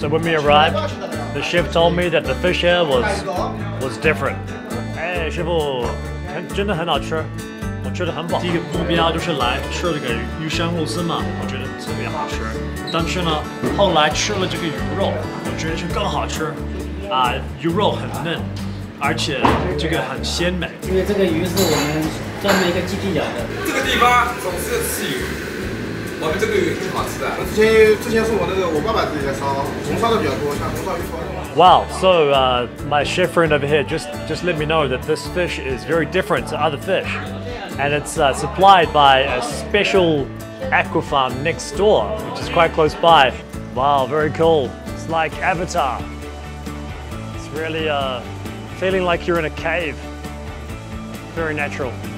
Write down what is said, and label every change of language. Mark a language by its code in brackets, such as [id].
[en] So when we arrived, the chef told me that the fish here was different. Hey, chef, [zh] 真的很好吃，我觉得很棒。第一个目标就是来吃这个鱼香肉丝嘛，我觉得特别好吃。但是呢，后来吃了这个鱼肉，我觉得是更好吃。鱼肉很嫩，而且这个很鲜美。因为这个鱼是我们专门一个基地养的。这个地方总是吃鱼，我们这个鱼挺好吃的。之前是我那个我爸爸自己在烧，红烧的比较多，像红烧鱼烧的。 Wow, [en] so my chef friend over here just let me know that this fish is very different to other fish. And it's supplied by a special aqua farm next door, which is quite close by. Wow, very cool. It's like Avatar. It's really feeling like you're in a cave. Very natural.